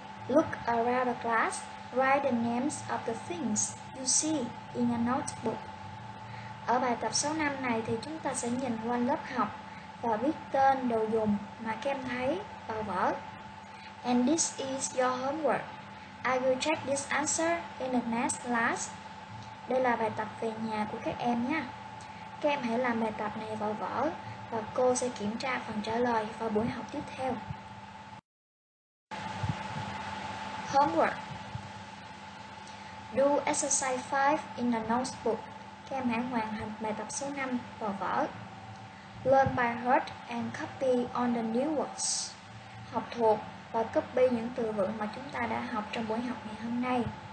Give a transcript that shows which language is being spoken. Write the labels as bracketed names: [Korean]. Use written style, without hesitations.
[English] Look around the class, write the names of the things you see in a notebook. [Vietnamese] Ở bài tập số 5 này thì chúng ta sẽ nhìn quanh lớp học và viết tên đồ dùng mà các em thấy vào vở. [English] And this is your homework. I will check this answer in the next class. [Vietnamese] Đây là bài tập về nhà của các em nha. Các em hãy làm bài tập này vào vở và cô sẽ kiểm tra phần trả lời vào buổi học tiếp theo. [English] Homework. Do exercise 5 in the notebook. [Vietnamese] Các em hãy hoàn thành bài tập số 5 vào vở. [English] Learn by heart and copy on the new words. [Vietnamese] Học thuộc và copy những từ vựng mà chúng ta đã học trong buổi học ngày hôm nay.